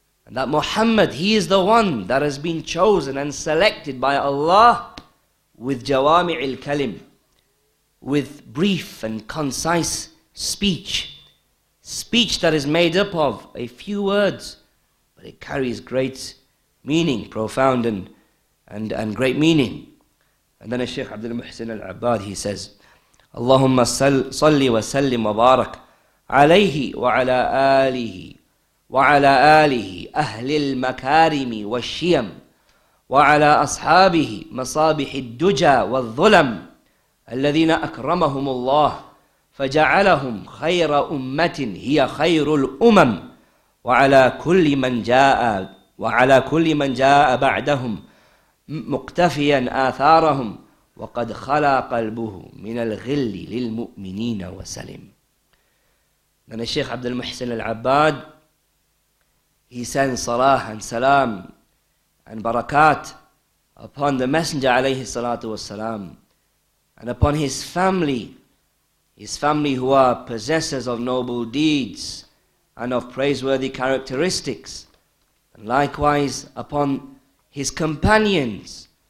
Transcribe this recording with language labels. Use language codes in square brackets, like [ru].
[en] That Muhammad, he is the one that has been chosen and selected by Allah with jawami' al-kalim, with brief and concise speech. Speech that is made up of a few words, but it carries great meaning, profound and great meaning. And then Shaykh Abdul Muhsin al-Abbad, he says, [ar] Allahumma salli wa sallim wa barak alayhi wa ala alihi وعلى آله أهل المكارم والشيم وعلى أصحابه مصابح الدجى والظلم الذين أكرمهم الله فجعلهم خير أمة هي خير الأمم وعلى كل من جاء بعدهم مقتفيا آثارهم وقد خلا قلبه من الغل للمؤمنين وسلم. من الشيخ عبد المحسن العباد, [en] he sends salah and salam and barakat upon the Messenger alayhi salatu wassalam and upon his family who are possessors of noble deeds and of praiseworthy characteristics, and likewise upon his companions.